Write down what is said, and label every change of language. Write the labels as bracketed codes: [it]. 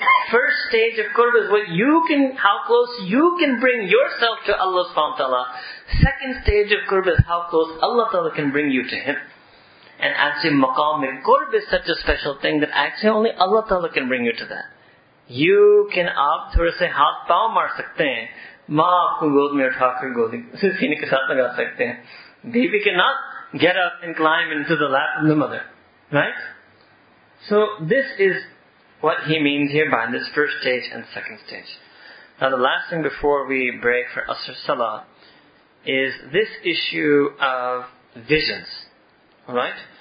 [en] First stage of qurb is what you can, how close you can bring yourself to Allah subhanahu wa ta'ala. Second stage of qurb is how close Allah ta'ala can bring you to him. And actually maqam al-qurb is such a special thing that actually only Allah Ta'ala can bring you to that. You can [ur] آپ تھوڑا سے ہاتھ پاؤں مار سکتے ہیں۔ ماں آپکو گود میں اٹھا کر گودی سے سینے کے ساتھ لگا سکتے ہیں۔ [en] Baby cannot get up and climb into the lap of the mother. Right? So this is what he means here by this first stage and second stage. Now the last thing before we break for Asr Salah is this issue of visions. Alright?